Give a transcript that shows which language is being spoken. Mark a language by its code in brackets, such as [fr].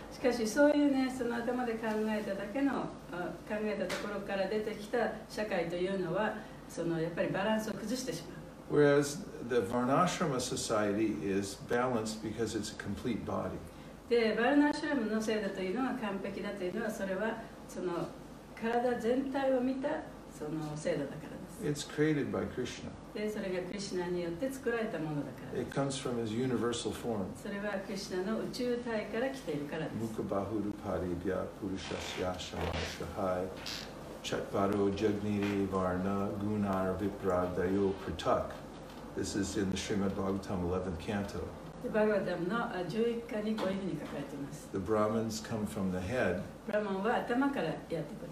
[ja] しかしそういうね、その頭で考えただけの、考えたところから出てきた社会というのは、そのやっぱりバランスを崩してしまう。 [en] Whereas the Varnashrama society is balanced because it's a complete body. [ja] で、バルナシュラムの制度というのは完璧だというのは、それはその体全体を見たその制度だからです。 [en] It's created by Krishna. [ja] でそれがクリシュナによって作られたものだから。 [en] It comes from his universal form. [ja] それはクリシュナの宇宙体から来ているからです。 [sa] Mukhabahurupadibhya purushasyashamashahai chatvaro jagniri varna gunar vipradayo pratak. [en] This is in the Srimad Bhagavatam 11th canto. [ja] バガダムの11巻にこういうふうに書かれています。 [en] The Brahmins come from the head. [ja] ブラマンは頭からやってくる。